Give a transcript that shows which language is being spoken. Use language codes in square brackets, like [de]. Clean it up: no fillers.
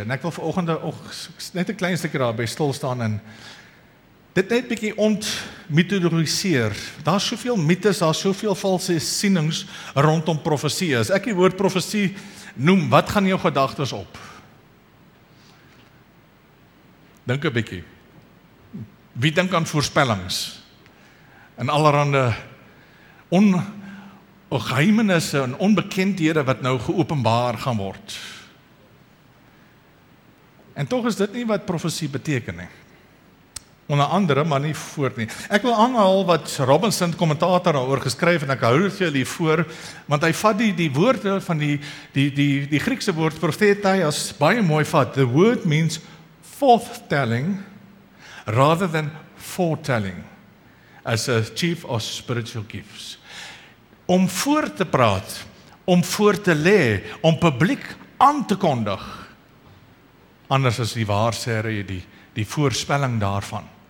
[af] En ek wil vanoggend net een klein stukje daarby stilstaan en dit net bykie ontmythologiseer. Daar is soveel mythes, daar is soveel valse sienings rondom profesie. As ek die woord profesie noem, wat gaan jou gedagtes op? Dink 'n bietjie. Wie dink aan voorspellings? En allerhande geheimenisse en onbekendhede wat nou geopenbaar gaan word. En toch is dit nie wat profesie beteken nie. Onder andere, maar nie voort nie. Ek wil aanhaal wat Robinson, commentator, daaroor geskryf, en ek hou het vir julle voor, want hy vat die woorde van die Griekse woord profetai as baie mooi vat. [en] The word means forthtelling rather than foretelling as a chief of spiritual gifts. [af] Om voor te praat, om voor te lê, om publiek aan te kondig, anders as die waarsêre, die voorspelling daarvan.